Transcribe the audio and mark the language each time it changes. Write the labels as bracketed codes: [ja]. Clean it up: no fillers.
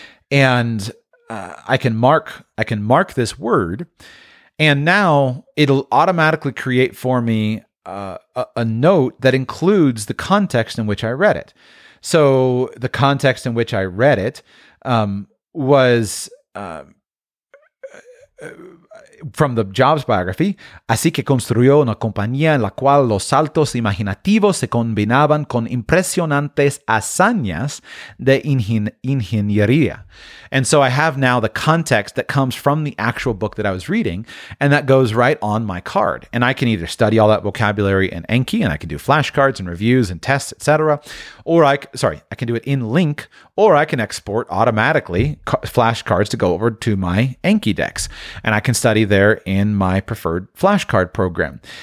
[en] And I can mark this word, and now it'll automatically create for me a note that includes the context in which I read it. So the context in which I read it was from the Jobs biography. [es] Así que construyó una compañía en la cual los saltos imaginativos se combinaban con impresionantes hazañas de ingeniería. [en] And so I have now the context that comes from the actual book that I was reading, and that goes right on my card. And I can either study all that vocabulary in Anki, and I can do flashcards and reviews and tests, etc. I can do it in Link, or I can export automatically flashcards to go over to my Anki decks, and I can study there in my preferred flashcard program.